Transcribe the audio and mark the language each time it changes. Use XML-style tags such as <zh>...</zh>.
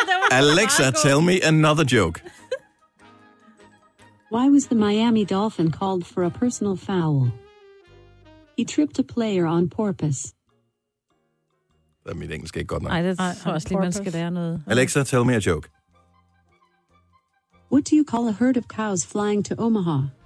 <en>Alexa, tell me another joke. Why was the Miami Dolphin called for a personal foul? He tripped a player on porpoise.</en> <da>Det er mit engelsk ikke godt nok. Ej, det er også lige, man skal lære noget.</da> <en>Alexa, tell me a joke. What do you call a herd of cows flying to Omaha?</en>